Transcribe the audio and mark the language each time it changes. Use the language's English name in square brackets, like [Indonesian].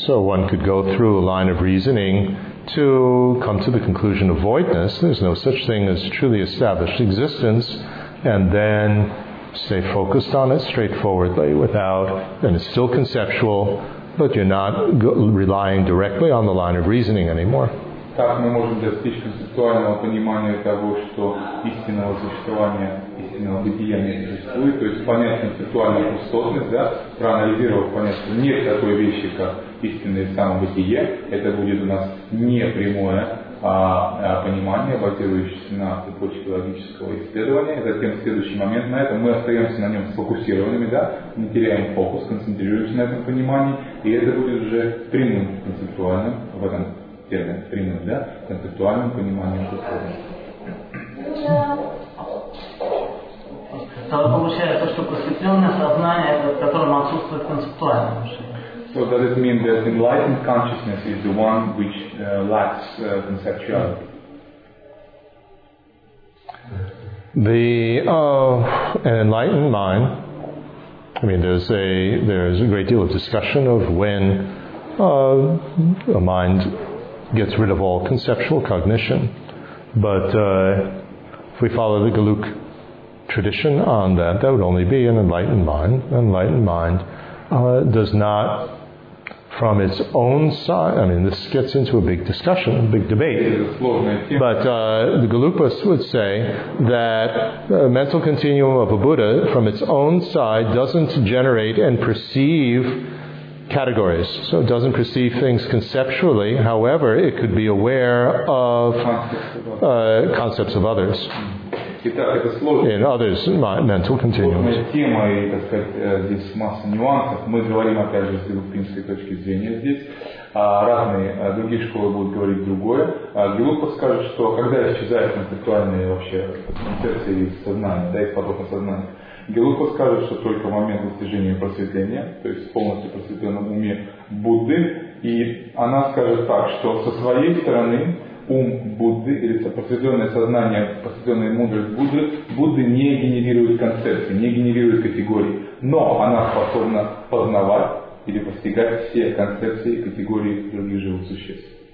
[English] So one could go through a line of reasoning to come to the conclusion of voidness. There's no such thing as truly established existence, and then stay focused on it straightforwardly without, and it's still conceptual. But you're not relying directly on the line of reasoning anymore. [Russian] Так мы можем достичь концептуального понимания того, что истинного существования, истинного бытия не существует, то есть понять концептуальную пустотность, да, проанализировав понять, что нет такой вещи, как истинное самобытие, это будет у нас не прямое понимание, базирующееся на цепочке логического исследования. Затем следующий момент на этом, мы остаемся на нем сфокусированными, да, мы теряем фокус, концентрируемся на этом понимании, и это будет уже прямым концептуальным, в этом термине, прямым, да, концептуальным пониманием. Да, получается, что просветленное сознание, в котором отсутствует концептуальное мышление. [English] So does it mean that enlightened consciousness is the one which lacks conceptuality? An enlightened mind, I mean, there's a great deal of discussion of when a mind gets rid of all conceptual cognition. But if we follow the Galuk tradition on that, that would only be an enlightened mind. An enlightened mind does not, from its own side, I mean, this gets into a big discussion, a big debate. But the Galupas would say that the mental continuum of a Buddha, from its own side, doesn't generate and perceive categories. So it doesn't perceive things conceptually. However, it could be aware of concepts of others. [Russian] Итак, это сложная [English] in others, mental continuum. [Russian] Тема, и, так сказать, здесь масса нюансов. Мы говорим, опять же, с галупинской точки зрения здесь. Разные другие школы будут говорить другое. Галупа скажет, что когда исчезает концептуальная вообще концепция из сознания, да, из потока сознания, Галупа скажет, что только в момент достижения просветления, то есть в полностью просветленном уме Будды, и она скажет так, что со своей стороны ум Будды или просветленное сознание, просветленная мудрость Будды, Будды не генерирует концепции, не генерирует категории, но она способна познавать или постигать все концепции и категории других живых существ.